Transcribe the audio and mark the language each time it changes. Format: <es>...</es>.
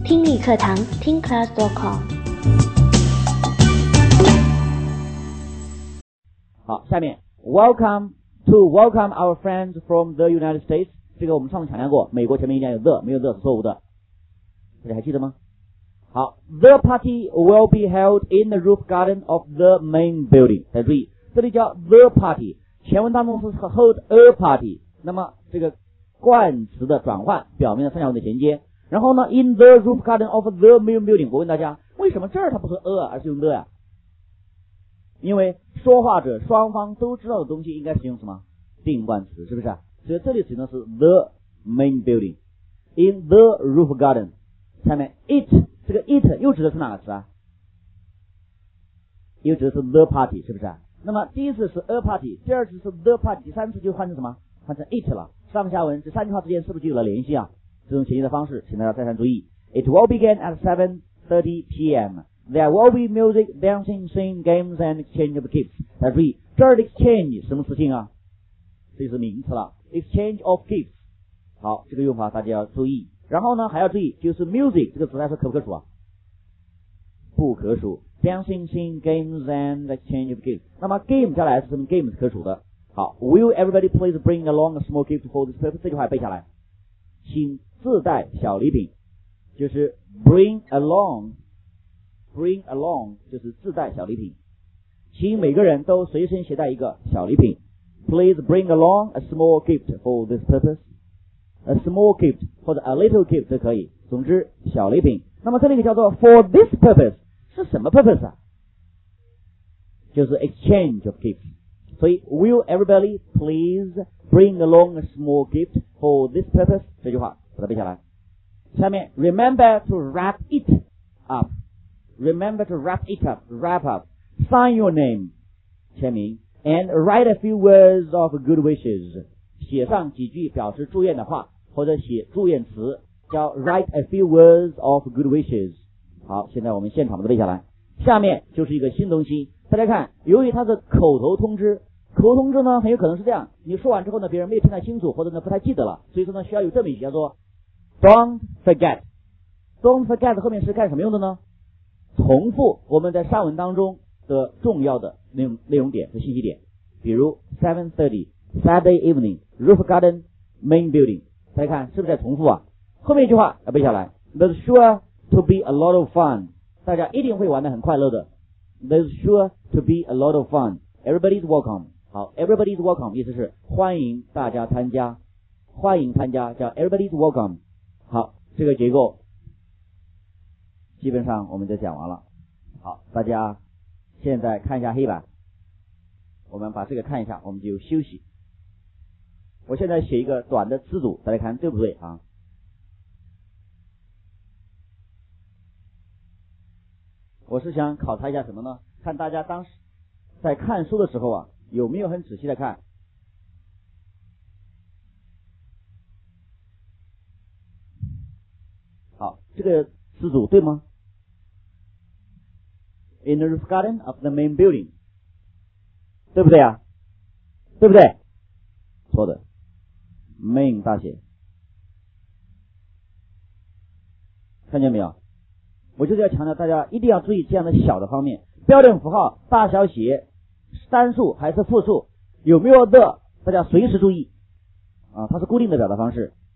<zh>理课堂听 class.com。好，下面</zh> <en>welcome to welcome our friends from the United States。</en> <zh>这个我们上次强调过，美国前面一定要有 the， 没有 the 是错误的，大家还记得吗？</zh> <en>好， the party will be held in the roof garden of the main building。</en> <zh>大家注意，这里叫 the party， 前文当中是 hold a party， 那么这个冠词的转换表明了三角形的衔接。然后呢，</zh> <en>in the roof garden of the main building，</en> <zh>我问大家为什么这儿它不是 a 而是用 the 啊？因为说话者双方都知道的东西应该是用什么定冠词，是不是？所以这里使用的是</zh> <en>the main building， in the roof garden。</en> <zh>下面 it， 这个 it 又指的是哪个词啊？又指的是 the party， 是不是？那么第一次是 a party， 第二次是 the party， 第三次就换成什么，换成 it 了。上下文这三句话之间是不是就有了联系啊？这种衔接的方式请大家再三注意。</zh> <en>It will begin at 7:30 p.m. There will be music, dancing, singing, games and exchange of gifts。</en> <zh>大家注意这儿的 exchange 什么事情啊？这是名词了， exchange of gifts。好，这个用法大家要注意。然后呢还要注意，就是 music 这个词来说可不可数啊？不可数。</zh> <en>Dancing, singing, games and exchange of gifts，</en> <zh>那么</zh> <en>game</en> <zh>加来是什么？ game 是可数的。好，</zh> <en>Will everybody please bring along a small gift for this purpose，</en> <zh>这句话背下来，请自带小礼品，就是 bring along， bring along 就是自带小礼品，请每个人都随身携带一个小礼品。</zh> <en>Please bring along a small gift for this purpose， a small gift</en> <zh>或者</zh> <en>a little gift</en> <zh>都可以，总之小礼品。那么这里叫做 for this purpose 是什么 purpose 啊？就是</zh> <en>exchange of gifts。</en> <zh>所以</zh> <en>Will everybody please bring along a small gift for this purpose，</en> <zh>这句话把它背下来。</zh> <en>下面 Remember to wrap it up， Remember to wrap it up， wrap up， sign your name</en> <zh>签名，</zh> <en>and write a few words of good wishes，</en> <zh>写上几句表示祝愿的话，或者写祝愿词，叫</zh> <en>write a few words of good wishes。</en> <zh>好，现在我们现场把它背下来。下面就是一个新东西，大家看，由于它是口头通知，口头通知呢很有可能是这样，你说完之后呢别人没有听太清楚，或者呢不太记得了，所以说呢需要有这么一句叫做 Don't forget。 Don't forget 后面是干什么用的呢？重复我们在上文当中的重要的内容点和信息点，比如</zh> <en>7:30 Saturday evening roof garden main building，</en> <zh>大家看是不是在重复啊？后面一句话要背下来，</zh> <en>There's sure to be a lot of fun，</en> <zh>大家一定会玩得很快乐的。</zh> <en>There's sure to be a lot of fun. Everybody's welcome.</en> <zh>好，</zh> <en>Everybody's welcome</en> <zh>意思是欢迎大家参加，欢迎参加叫 Everybody's welcome。好，这个结构基本上我们就讲完了。好，大家现在看一下黑板，我们把这个看一下，我们就休息。我现在写一个短的词组，大家看对不对啊？我是想考察一下什么呢？看大家当时在看书的时候啊，有没有很仔细的看？好，这个词组对吗</zh> <en>？In the roof garden of the main building，</en> <zh>对不对啊？对不对？错的 ，main 大写，看见没有？我就是要强调大家一定要注意这样的小的方面，标点符号大小写，单数还是复数，有没有的，大家随时注意啊，它是固定的表达方式。</zh>